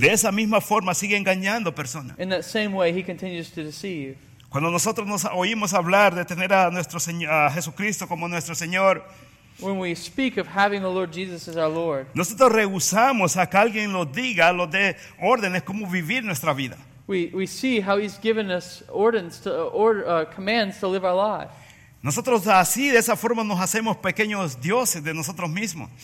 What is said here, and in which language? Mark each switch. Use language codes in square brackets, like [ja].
[es] De esa misma forma sigue engañando personas. [en] In that same way he continues to deceive. [es] Cuando nosotros nos oímos hablar de tener a nuestro Señor, a Jesucristo como nuestro Señor. [en] When we speak of having the Lord Jesus as our Lord, [es] nosotros rehusamos a que alguien nos diga, nos dé órdenes cómo vivir nuestra vida. [en] We see how He's given us ordinances to commands to live our life. [es] Nosotros así de esa forma nos hacemos pequeños dioses de nosotros mismos.